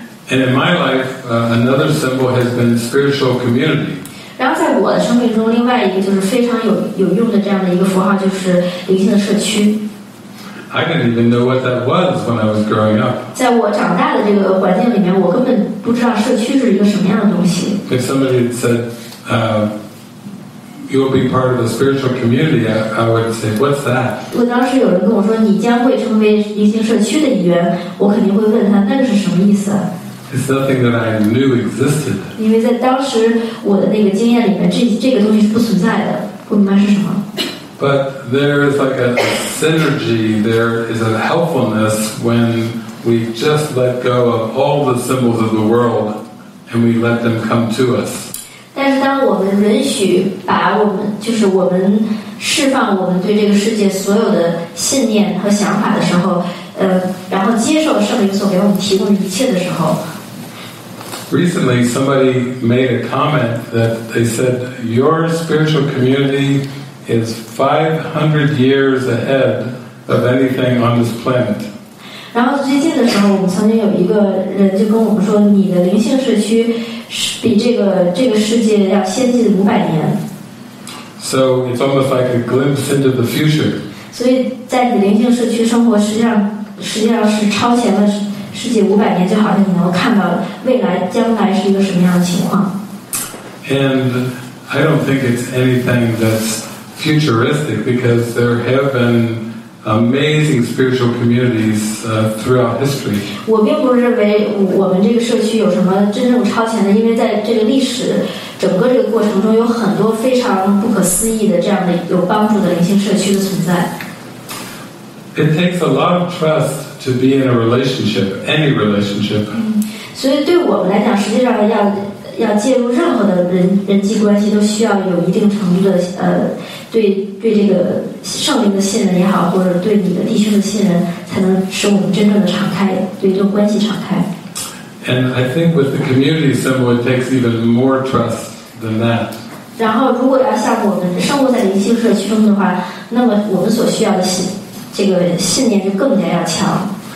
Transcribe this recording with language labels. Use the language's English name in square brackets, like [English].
[English] And in my life, another symbol has been spiritual community. [Chinese] 然后在我的生命中，另外一个就是非常有用的这样的一个符号，就是灵性的社区。 [English] I didn't even know what that was when I was growing up. [Chinese] 在我长大的这个环境里面，我根本不知道社区是一个什么样的东西。 [English] If somebody said, "You'll be part of a spiritual community," I would say, "What's that?" [Chinese] 如果当时有人跟我说你将会成为灵性社区的一员，我肯定会问他那是什么意思。 [English] It's nothing that I knew existed. [Chinese] 因为在当时我的那个经验里面，这个东西是不存在的，不明白是什么。 [English] But there is like a synergy. There is a helpfulness when we just let go of all the symbols of the world and we let them come to us. [Chinese] 但是当我们允许把我们就是我们释放我们对这个世界所有的信念和想法的时候，然后接受圣灵所给我们提供的一切的时候。 [English] Recently, somebody made a comment that they said, your spiritual community is 500 years ahead of anything on this planet. [Chinese] 然后最近的时候，我们曾经有一个人就跟我们说，你的灵性社区比这个世界要先进500年。 [English] So it's almost like a glimpse into the future. [Chinese] 所以在你灵性社区生活实际上是超前了。世界500年，就好像你能够看到未来将来是一个什么样的情况。 [English] And I don't think it's anything that's futuristic, because there have been amazing spiritual communities throughout history. [Chinese] 我并不认为我们这个社区有什么真正超前的，因为在这个历史整个这个过程中有很多非常不可思议的这样的有帮助的灵性社区的存在。 [English] It takes a lot of trust to be in a relationship, any relationship. [Chinese] 所以对我们来讲，实际上要介入任何的人际关系，都需要有一定程度的对这个圣灵的信任也好，或者对你的弟兄的信任，才能使我们真正的敞开，对这个关系敞开。 [English] And I think with the community symbol, it takes even more trust than that. [Chinese] 然后，如果要像我们生活在灵性社区中的话，那么我们所需要的信念就更加要强。